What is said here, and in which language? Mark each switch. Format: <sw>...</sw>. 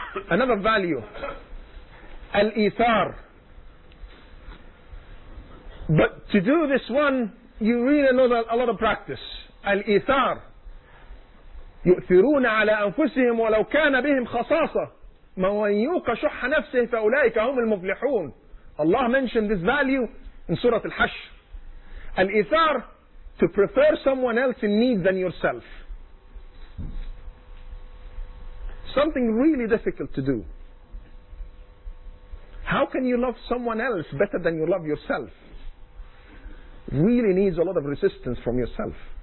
<en>Another value. Al-Ithar. But to do this one, you really need a lot of practice. Al-Ithar.</en> <ar>يؤثرون على أنفسهم ولو كان بهم خصاصة من يوق شح نفسه فأولئك هم المفلحون.</ar> <en>Allah mentioned this value in Surah Al-Hashr. Al-Ithar, to prefer someone else in need than yourself. Something really difficult to do. How can you love someone else better than you love yourself? Really needs a lot of resistance from yourself.</en>